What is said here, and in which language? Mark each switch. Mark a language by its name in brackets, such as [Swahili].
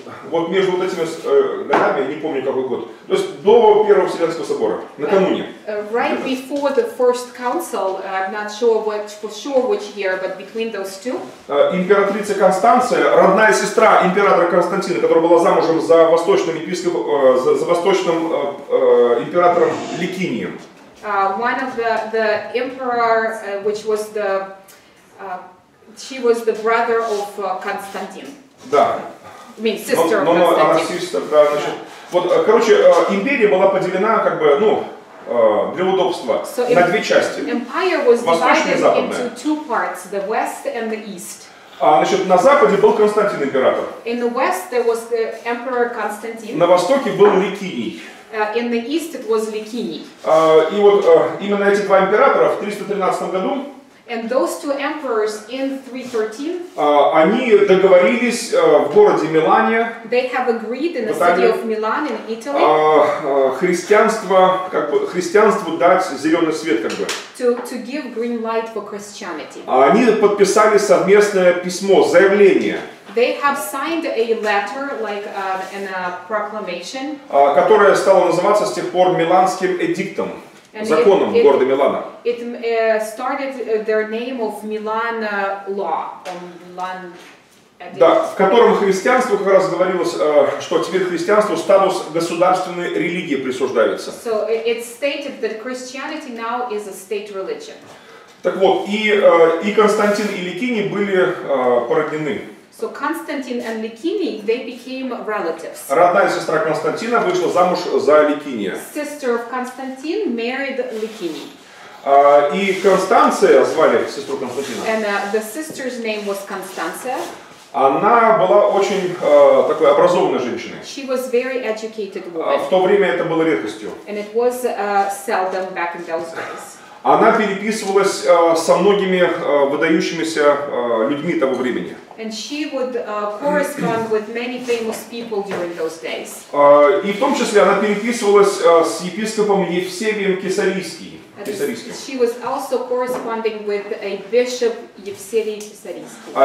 [Russian] Вот между вот этими годами, я не помню какой год, то есть до Первого Вселенского Собора, накануне. [English] Right before the first council, I'm not sure which year, but between those two. [Russian] Императрица Констанция, родная сестра императора Константина, которая была замужем за восточным епископом, за восточным императором Ликинием. [English] One of the emperor, which was the, she was the brother of Constantine. [Russian] Да. [English] I mean, sister [Russian] но она сестра, да, значит. Вот, короче, империя была поделена, как бы, ну, для удобства, [English] so [Russian] на две части. [English] Empire was divided into two parts, the West and the East. [Russian] Значит, на Западе был Константин император. [English] In the West there was the Emperor Constantine. [Russian] На Востоке был Ликиний. [English] In the East it was Ликиний. [Russian] И вот именно эти два императора в 313 году. [English] And those two emperors in 313, [Russian] они договорились в городе Милане. [English] They have agreed in the city of Milan in Italy. [Russian] Христианство, как бы, христианству дать зеленый свет, как бы. [English] To give green light for Christianity. [Russian] Они подписали совместное письмо, заявление. [English] They have signed a letter, like an proclamation, [Russian] которая стала называться с тех пор Миланским эдиктом. Законом города Милана. [English] It started their name of Milan law. Milan. [Russian] Да, в котором христианству как раз говорилось, что теперь христианству статус государственной религии присуждается. [English] So it stated that Christianity now is a state religion. [Russian] Так вот, и Константин и Ликини были породнены. [English] So Constantine and Licini, they became relatives. [Russian] Родная сестра Константина вышла замуж за Ликиния. [English] Sister of Constantine married Licini. [Russian] И Констанция, звали сестру Константина. [English] And the sister's name was Constanze. [Russian] Она была очень такой образованной женщиной. [English] She was very educated woman. [Russian] В то время это было редкостью. [English] And it was seldom back in those days. [Russian] Она переписывалась со многими выдающимися людьми того времени. [English] And she would correspond with many famous people during those days. [Russian] И в том числе она переписывалась с епископом Евсевием Кесарийским. [English] She was also corresponding with a bishop Евсевий Кесарийский.